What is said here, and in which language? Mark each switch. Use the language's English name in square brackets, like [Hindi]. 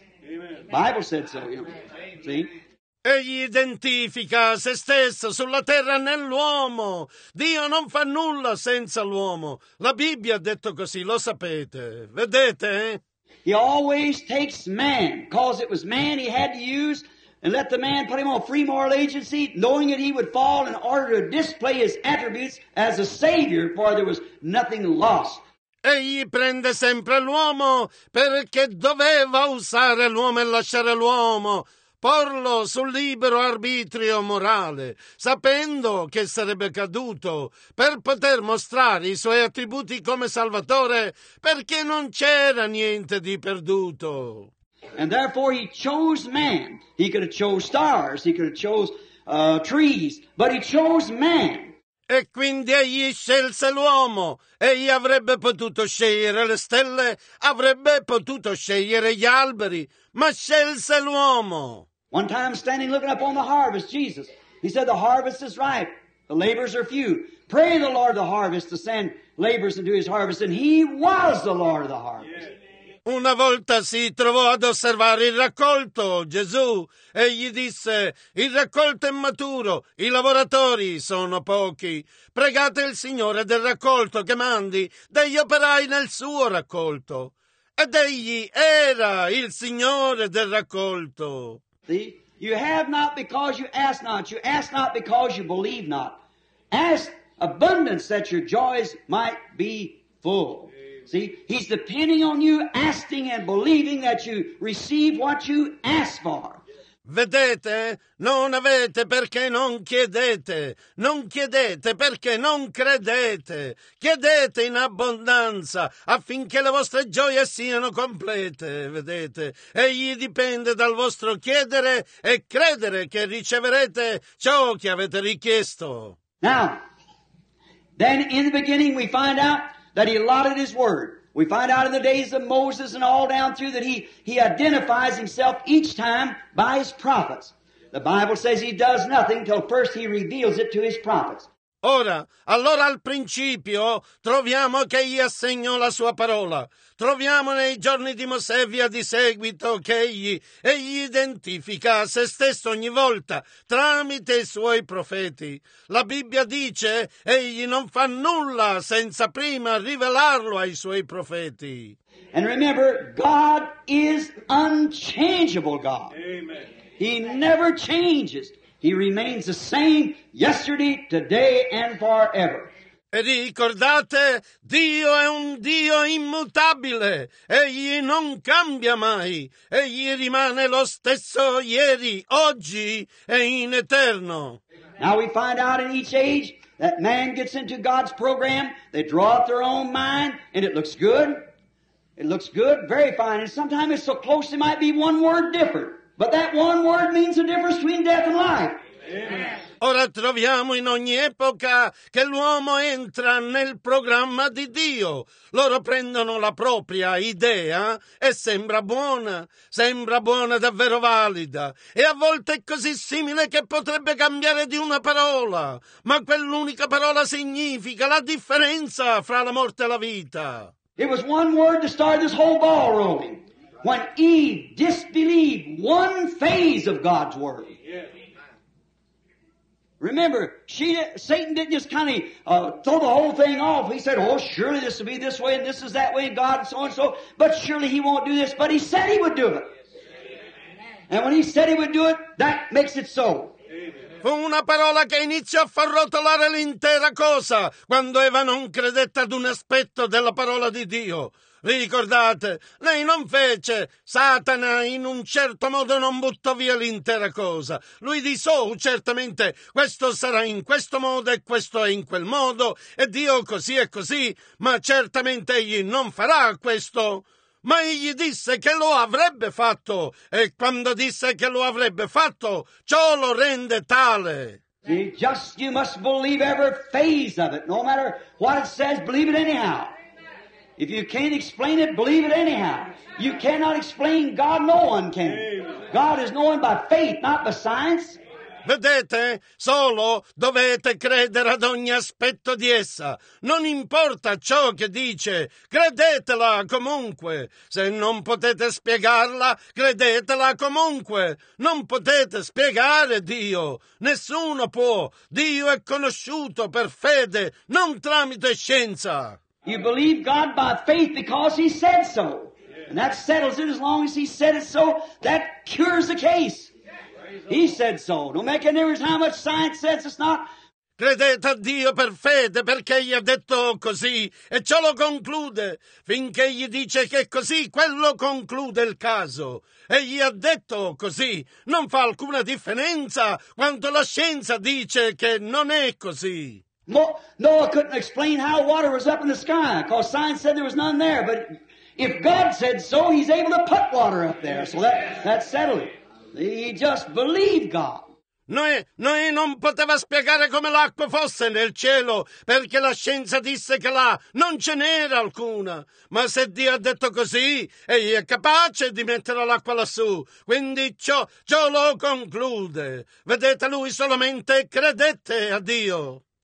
[English] Amen. Bible said so. You know. See? [Italian] Egli identifica se stesso sulla terra nell'uomo. Dio non fa nulla senza l'uomo. La Bibbia ha detto così, lo sapete. Vedete? [English] He always takes man, because it was man he had to use. And let the man put him on free moral agency, knowing that he would fall, in order to display his attributes as a savior, for there was nothing lost. [Italian] Egli prende sempre l'uomo perché doveva usare l'uomo e lasciare l'uomo, porlo sul libero arbitrio morale, sapendo che sarebbe caduto, per poter mostrare i suoi attributi come salvatore, perché non c'era niente di perduto. [English] And therefore he chose man. He could have chose stars, he could have chose trees, but he chose man. [Italian] E quindi egli scelse l'uomo. Egli avrebbe potuto scegliere le stelle, avrebbe potuto scegliere gli alberi, ma scelse l'uomo. [English] One time standing looking up on the harvest, Jesus, he said, the harvest is ripe, the laborers are few. Pray the Lord of the harvest to send laborers into his harvest, and he was the Lord of the harvest. [Italian] Una volta si trovò ad osservare il raccolto, Gesù, e gli disse: il raccolto è maturo, i lavoratori sono pochi. Pregate il Signore del raccolto che mandi degli operai nel suo raccolto. Ed egli era il Signore del raccolto. [English] See, you have not because you ask not because you believe not. Ask abundance that your joys might be full. See, he's depending on you, asking and believing that you receive what you ask for. [Italian] Vedete, non avete perché non chiedete. Non chiedete perché non credete. Chiedete in abbondanza affinché le vostre gioie siano complete. Vedete, egli dipende dal vostro chiedere e credere che riceverete ciò che avete richiesto. [English] Now, then in the beginning we find out that he allotted his word. We find out in the days of Moses and all down through that he identifies himself each time by his prophets. The Bible says he does nothing till first he reveals it to his prophets. [Italian] Ora, allora al principio troviamo che egli assegnò la sua parola. Troviamo nei giorni di Mosè via di seguito che egli identifica a se stesso ogni volta tramite i suoi profeti. La Bibbia dice egli non fa nulla senza prima rivelarlo ai suoi profeti. [English] And remember, God is unchangeable God. Amen. He never changes. He remains the same yesterday, today, and forever. [Italian] E ricordate, Dio è un Dio immutabile. Egli non cambia mai. Egli rimane lo stesso ieri, oggi e in eterno. [English] Now we find out in each age that man gets into God's program. They draw out their own mind, and it looks good. It looks good, very fine. And sometimes it's so close it might be one word different. But that one word means the difference between death and life. [Italian] Ora troviamo in ogni epoca che l'uomo entra nel programma di Dio. Loro prendono la propria idea e sembra buona davvero valida. E a volte è così simile che potrebbe cambiare di una parola. Ma quell'unica parola significa la differenza fra la morte e la vita. [English] It was one word to start this whole ball rolling. When Eve disbelieved one phase of God's word. Remember, Satan didn't just kind of throw the whole thing off. He said, oh, surely this will be this way and this is that way, God, and so on and so. But surely he won't do this. But he said he would do it. And when he said he would do it, that makes it so. [Italian] Fu una parola che iniziò a far rotolare l'intera cosa quando Eva non credette ad un aspetto della parola di Dio. Ricordate, lei non fece. Satana in un certo modo non buttò via l'intera cosa. Lui disse, oh, certamente questo sarà in questo modo e questo è in quel modo e Dio così e così, ma certamente egli non farà questo. Ma egli disse che lo avrebbe fatto e quando disse che lo avrebbe fatto, ciò lo rende tale. [English] Just you must believe every phase of it, no matter what it says, believe it anyhow. If you can't explain it, believe it anyhow. You cannot explain God, no one can. God is known by faith, not by science. [Italian] Vedete, solo dovete credere ad ogni aspetto di essa. Non importa ciò che dice, credetela comunque. Se non potete spiegarla, credetela comunque. Non potete spiegare Dio. Nessuno può. Dio è conosciuto per fede, non tramite scienza. [English] You believe God by faith because he said so. And that settles it. As long as he said it so, that cures the case. He said so. Don't make any difference how much science says it's not. [Italian] Credete a Dio per fede perché gli ha detto così e ciò lo conclude. Finché gli dice che è così, quello conclude il caso. E gli ha detto così. Non fa alcuna differenza quanto la scienza dice che non è così. [English] Noah couldn't explain how water was up in the sky because science said there was none there. But if God said so, he's able to put water up there. So that settled it. He just believed God. [Italian] Noè non poteva spiegare come l'acqua fosse nel cielo perché la scienza disse che là non ce n'era alcuna. Ma se Dio ha detto così, egli è capace di mettere l'acqua lassù. Quindi ciò lo conclude. Vedete, lui solamente credette a Dio.